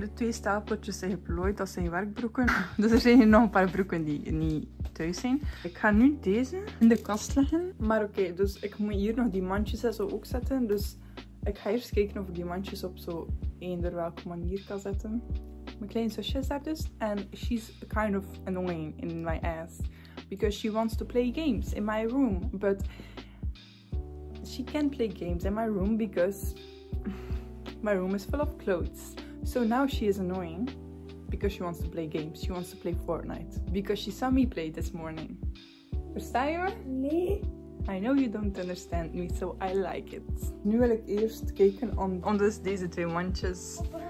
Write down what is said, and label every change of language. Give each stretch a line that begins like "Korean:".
Dutch: De twee stapeltjes zijn geplooid, dat zijn werkbroeken. Dus er zijn hier nog een paar broeken die niet thuis zijn. Ik ga nu deze in de kast leggen. Maar oké, dus ik moet hier nog die mandjes en zo ook zetten. Dus ik ga eerst kijken of ik die mandjes op zo eender welke manier kan zetten. Mijn kleine zusje is daar dus.
English: En she's kind of annoying in my ass. Because she wants to play games in my room. But she can't play games in my room because my room is full of clothes. So now she is annoying because she wants to play games. She wants to play Fortnite because she saw me play this morning.
Dutch: Versta je me? Nee.
English: I know you don't understand me, so I like it.
Dutch: Nu wil ik eerst kijken on dus deze twee mandjes.